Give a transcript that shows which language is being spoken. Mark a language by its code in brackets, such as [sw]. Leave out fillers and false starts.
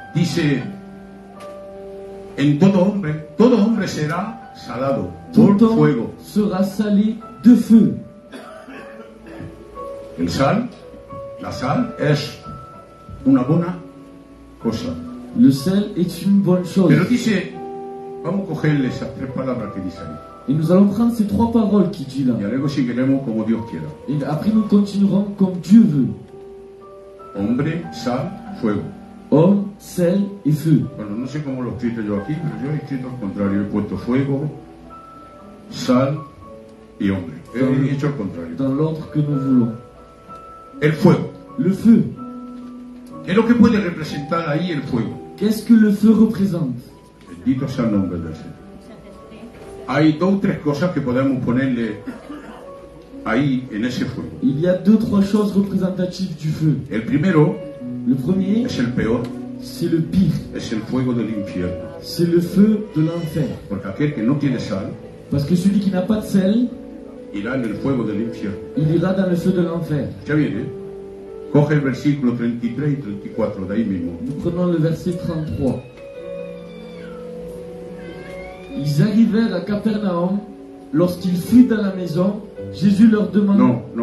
[es] Dice. En todo hombre será salado por fuego. [fr] Sera salé de feu. [es] El sal, la sal es una buena cosa. [fr] Le sel est une bonne chose. [es] Pero dice, vamos a cogerle esas tres palabras que dice ahí. [fr] Et nous allons prendre ces trois paroles qui dit là. [es] Y luego seguiremos como Dios quiera. [fr] Et après nous continuerons comme Dieu veut. [es] Hombre, sal, fuego. [fr] Homme, sel et feu. [es] Bueno, no sé cómo lo escrito yo aquí, pero yo he escrito al contrario. He puesto fuego, sal y hombre. He dicho al contrario. [fr] Dans l'ordre que nous voulons. [es] El fuego. [fr] Le feu. [es] ¿Qué es lo que puede representar ahí el fuego? [fr] Qu'est-ce que le feu représente? [es] Bendito sea el nombre del Señor. Hay dos o tres cosas que podemos ponerle ahí en ese fuego. [fr] Il y a deux trois choses représentatives du feu. [es] El primero. [fr] Le premier. [es] Es el peor. [fr] C'est le pire. [es] Es el fuego del infierno. [fr] C'est le feu de l'enfer. [es] Porque aquel que no tiene sal. [fr] Parce que celui qui n'a pas de sel. [es] Irá en el fuego del infierno. [fr] Il ira dans le feu de l'enfer. [es] Ya viene. Coge el versículo 33 y 34 de ahí mismo. [fr] Nous prenons le verset 33. Ils arrivèrent à Capernaum. Lorsqu'il fut dans la maison, Jésus leur demanda.